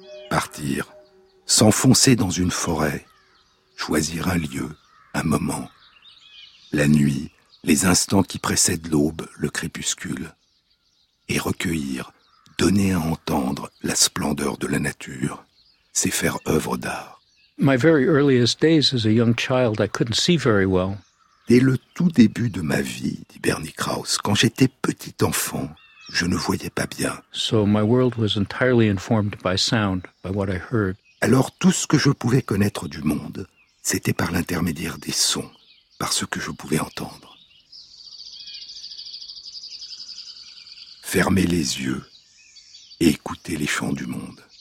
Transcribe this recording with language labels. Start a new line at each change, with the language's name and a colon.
French: Partir, s'enfoncer dans une forêt, choisir un lieu, un moment. La nuit, les instants qui précèdent l'aube, le crépuscule. Et recueillir, donner à entendre la splendeur de la nature, c'est faire œuvre d'art.
English: My very earliest days as a young child, I couldn't see very well.
French: Dès le tout début de ma vie, dit Bernie Kraus, quand j'étais petit enfant, je ne voyais pas bien.
English: So my world was entirely informed by sound, by what I heard.
French: Alors tout ce que je pouvais connaître du monde, c'était par l'intermédiaire des sons, par ce que je pouvais entendre. Fermer les yeux et écouter les chants du monde.